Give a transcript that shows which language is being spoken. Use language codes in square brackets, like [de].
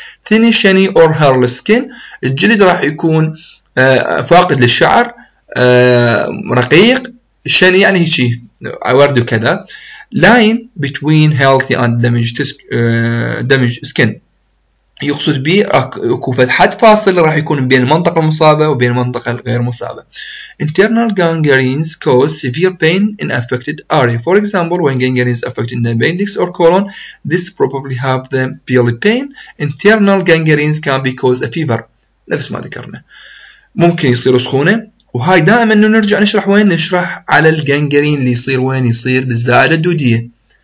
[en] Thinny shiny or hairless skin، [ar] الجلد راح يكون فاقد للشعر، رقيق، شني يعني هيك ورد وكذا. [en] Line between healthy and damaged skin، [ar] يقصد به اكو فتحات فاصل راح يكون بين المنطقه المصابه وبين المنطقه الغير مصابه. [en] Internal gangrenes cause severe pain in affected area. For example, when gangrenes affect in the appendix or colon, this probably have the belly pain. Internal gangrenes can be cause a fever. [ar] نفس ما ذكرنا. ممكن يصير سخونه، وهاي دائما نرجع نشرح وين؟ نشرح على الجانجرين اللي يصير وين؟ يصير بالزائده الدوديه.